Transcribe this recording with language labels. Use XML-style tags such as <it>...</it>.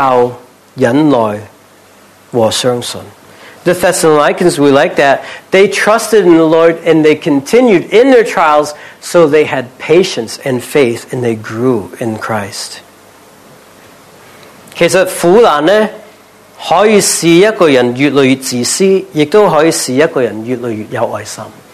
<zh>帖撒罗尼加的人是这样，他面对这些困难，他有信心，他有仍旧忍耐和相信。</zh> <en>The Thessalonians were like that. They trusted in the Lord and they continued in their trials, so they had patience and faith and they grew in Christ.</en> <zh>其实苦难呢，可以使一个人越来越自私，亦都可以使一个人越来越有爱心。</zh>